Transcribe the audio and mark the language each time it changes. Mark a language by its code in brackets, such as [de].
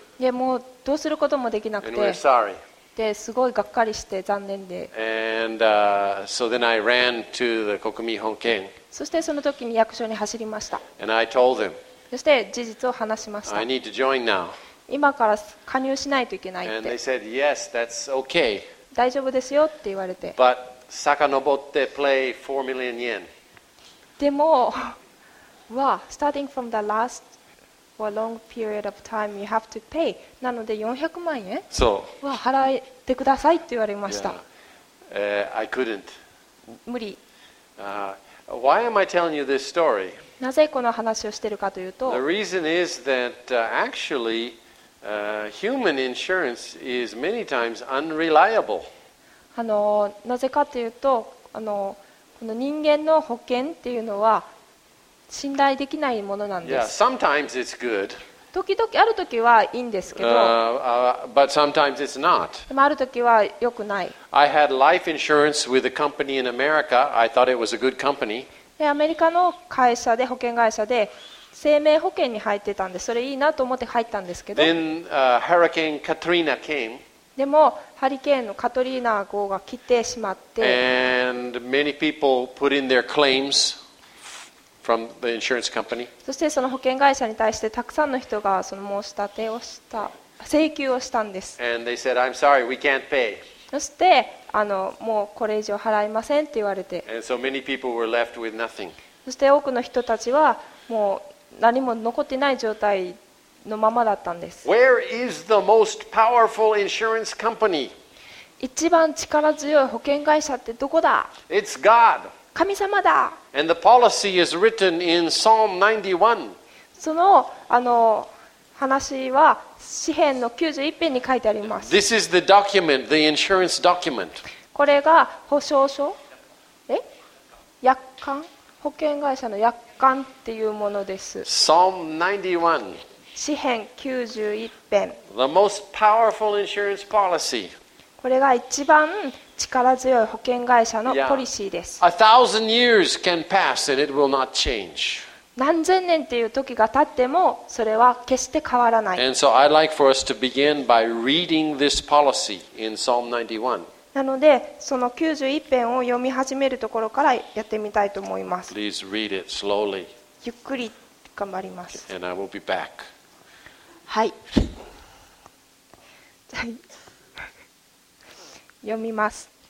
[ja] でもうどうすることもできなくて。 [en] And we're sorry. [ja] ですごいがっかりして残念で。 [en] And, so then I ran to the 国民保険。 [ja] そしてその時に役所に走りました。 [en] And I told them, [ja] そして事実を話しました。 [en] I need to join now. [ja] 今から加入しないといけないって。 [en] And they said, yes, that's okay. [ja] 大丈夫ですよって言われて。 [en] But [ja] 遡ってプレイ [en] 4 million yen. [ja] でも、わ、 [en] starting from the last for a long period of time you have to pay. [ja] なので400万円そう。は払ってくださいって言われました。 [en] Yeah. I couldn't. [ja] 無理。 [en] Why am I telling you this story? [ja] なぜこの話をしているかというと、 [en] The reason is that actually human insurance is many times unreliable. [ja] なぜかというと、この人間の保険っていうのは信頼できないものなんです。 [en] Yeah, sometimes it's good. [ja] 時々ある時はいいんですけど、 [en] but sometimes it's not. [ja] でもある時は良くない。 [en] I had life insurance with a company in America. I thought it was a good company. [ja] でアメリカの会社で保険会社で生命保険に入ってたんで、それいいなと思って入ったんですけど。 [en] Then Hurricane Katrina came. [ja] でもハリケーンのカトリーナ号が来てしまって、 [en] and many people put in their claims. From the insurance company. [ja] そしてその保険会社に対してたくさんの人がその申し立てをした請求をしたんです。 [en] And they said, I'm sorry, we can't pay. [ja] そしてもうこれ以上払いませんって言われて。 [en] And so many people were left with nothing. [ja] そして多くの人たちはもう何も残ってない状態のままだったんです。 [en] Where is the most powerful insurance company? [ja] 一番力強い保険会社ってどこだ。 [en] It's God. [ja] 神様だ。 [en] And the policy is written in Psalm 91. [ja] その話は詩篇の91編に書いてあります。 [en] This is the document, the insurance document. [ja] これが保証書、約款、保険会社の約款っていうものです。 [en] Psalm 91. [ja] 詩篇91編。 [en] The most powerful insurance policy. [ja] これが一番力強い保険会社のポリシーです。 [en] Yeah. A thousand years can pass and it will not change. [ja] 何千年という時が経ってもそれは決して変わらない。 [en] And so I'd like for us to begin by reading this policy in Psalm 91. [ja] なのでその91編を読み始めるところからやってみたいと思います。 [en] Please read it slowly. [ja] ゆっくり頑張ります。 [en] Okay. And I will be back. [ja] はい。読みます。